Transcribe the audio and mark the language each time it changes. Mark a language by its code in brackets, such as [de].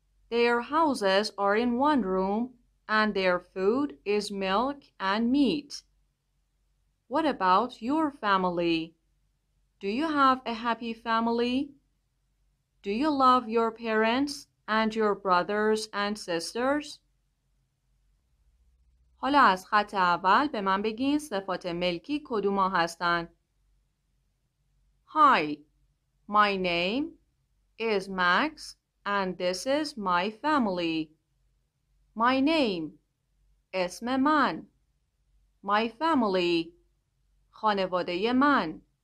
[en] Their houses are in one room and their food is milk and meat. What about your family? Do you have a happy family? Do you love your parents and your brothers and sisters? [fa] حالا از خط اول به من بگین صفات ملکی کدوم ها هستن. [en] Hi, my name is Max and this is my family. My name, [fa] اسم من. [en] My family, [fa] خانواده من.